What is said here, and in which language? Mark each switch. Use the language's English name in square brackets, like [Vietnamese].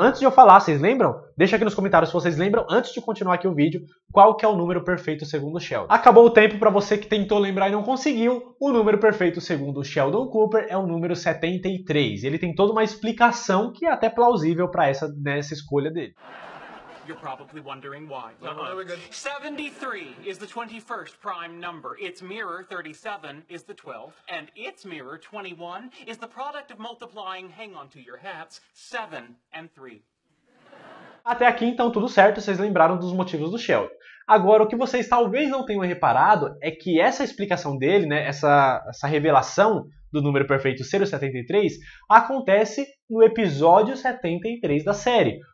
[Portuguese] Antes de eu falar, vocês lembram? Deixa aqui nos comentários se vocês lembram, antes de continuar aqui o vídeo, qual que é o número perfeito segundo o Sheldon. Acabou o tempo pra você que tentou lembrar e não conseguiu. O número perfeito segundo o Sheldon Cooper é o número 73. Ele tem toda uma explicação que é até plausível pra essa, nessa escolha dele. [English] You're probably wondering why. No, no, no, we're good. 73 is the 21st prime number. Its mirror, 37, is the 12th. And its mirror, 21, is the product of multiplying, hang on to your hats, 7 and 3. [Portuguese] Até aqui, então, tudo certo. Vocês lembraram dos motivos do Sheldon. Agora, o que vocês talvez não tenham reparado é que essa explicação dele, né, essa revelação do número perfeito ser o 73, acontece no episódio 73 da série.